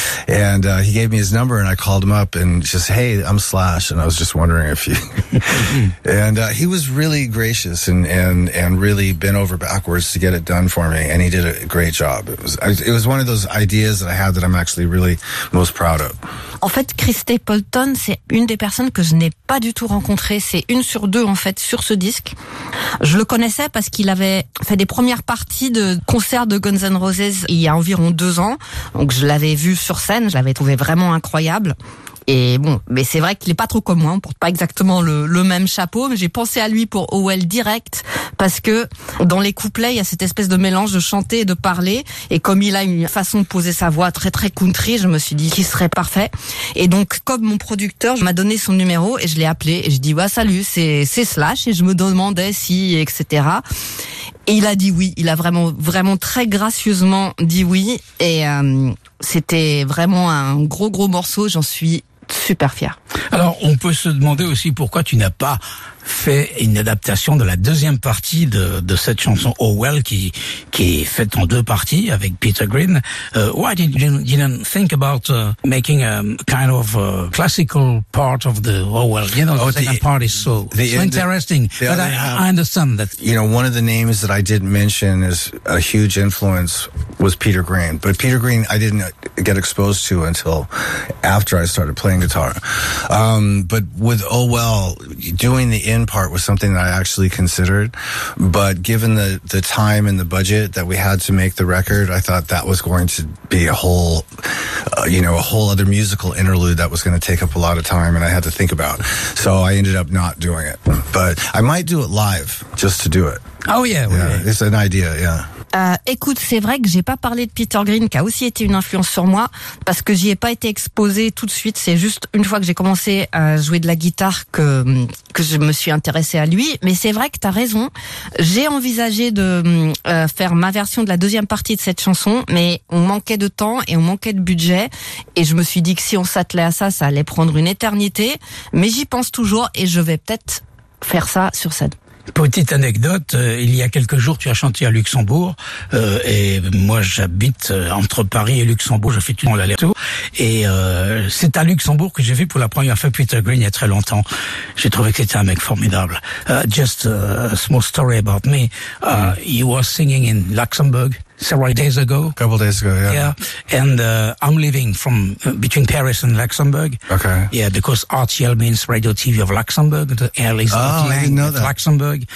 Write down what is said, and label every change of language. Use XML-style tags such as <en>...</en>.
<en>And he gave me his number and I called him up and just, hey, I'm Slash. And I was just wondering if you. And he was really gracious and really bent over backwards to get it done for me. And he did a great job. It was one of those ideas that I had that I'm actually really most proud of.</en> <fr>En fait, Chris Stapleton, c'est une des personnes que je n'ai pas du tout rencontrée. C'est une sur deux, en fait, sur ce disque. Je le connaissais parce qu'il avait fait des premières parties de concerts de Guns N' Roses il y a environ 2 ans. Donc, je l'avais vu sur scène. Je l'avais trouvé vraiment incroyable. Et bon, mais c'est vrai qu'il est pas trop comme moi. On porte pas exactement le même chapeau. Mais j'ai pensé à lui pour OL direct parce que dans les couplets, il y a cette espèce de mélange de chanter et de parler. Et comme il a une façon de poser sa voix très, très country, je me suis dit qu'il serait parfait. Et donc, comme mon producteur, je m'a donné son numéro et je l'ai appelé et je dis, ouais, salut, c'est Slash. Et je me demandais si, etc. Et il a dit oui. Il a vraiment, vraiment très gracieusement dit oui. Et, c'était vraiment un gros, gros morceau. J'en suis super fière. Alors, on peut se demander aussi pourquoi tu n'as pas fait une adaptation de la deuxième partie de cette chanson Oh Well qui est faite en deux parties avec Peter Green.</fr> <en>Why did you didn't think about making a kind of a classical part of the Oh Well? You know, the second part is so interesting, but I understand that. You know, one of the names that I didn't mention as a huge influence was Peter Green. But Peter Green, I didn't get exposed to until after I started playing guitar. But with Oh Well, doing the in part was something that I actually considered, but given the time and the budget that we had to make the record, I thought that was going to be a whole a whole other musical interlude that was going to take up a lot of time and I had to think about, so I ended up not doing it, but I might do it live just to do it. Oh yeah, okay. It's an idea. Yeah.</en> <fr>Écoute, c'est vrai que j'ai pas parlé de Peter Green, qui a aussi été une influence sur moi, parce que j'y ai pas été exposée tout de suite. C'est juste une fois que j'ai commencé à jouer de la guitare que je me suis intéressée à lui. Mais c'est vrai que t'as raison. J'ai envisagé de faire ma version de la deuxième partie de cette chanson, mais on manquait de temps et on manquait de budget. Et je me suis dit que si on s'attelait à ça, ça allait prendre une éternité. Mais j'y pense toujours et je vais peut-être faire ça sur scène. Petite anecdote, il y a quelques jours, tu as chanté à Luxembourg, et moi, j'habite entre Paris et Luxembourg, je fais tout l'aller-retour, et c'est à Luxembourg que j'ai vu pour la première fois Peter Green il y a très longtemps. J'ai trouvé que c'était un mec formidable.</fr> <en>Just a small story about me. You were singing in Luxembourg several days ago. A couple days ago, yeah. Yeah, and I'm living from between Paris and Luxembourg. Okay. Yeah, because RTL means Radio TV of Luxembourg. The L is Luxembourg.</en>